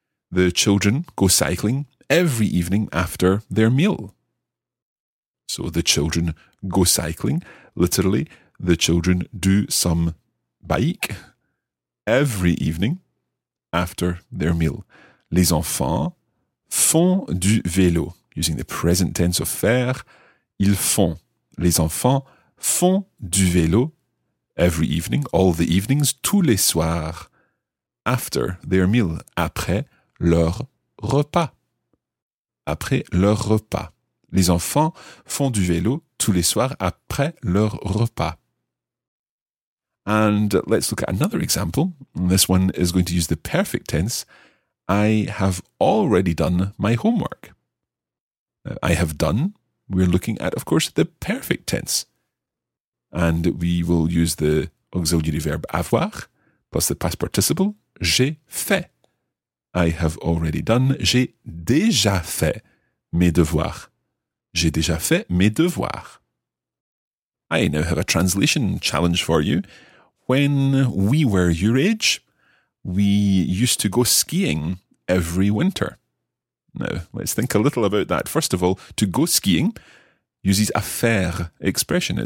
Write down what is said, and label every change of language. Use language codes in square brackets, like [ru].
[en] The children go cycling every evening after their meal. So the children go cycling. Literally, the children do some bike every evening after their meal. [fr] Les enfants font du vélo. [en] Using the present tense of faire, [fr] ils font. Les enfants font du vélo [en] every evening, all the evenings, [fr] tous les soirs, [en] after their meal, [fr] après leur repas. Après leur repas. Les enfants font du vélo tous les soirs après leur repas. [en] And let's look at another example. This one is going to use the perfect tense. I have already done my homework. I have done. We're looking at, of course, the perfect tense. And we will use the auxiliary verb avoir, plus the past participle, [fr] j'ai fait. [en] I have already done. [fr] J'ai déjà fait mes devoirs. J'ai déjà fait mes devoirs. [en] I now have a translation challenge for you. When we were your age, we used to go skiing every winter. Now, let's think a little about that. First of all, to go skiing uses a faire expression.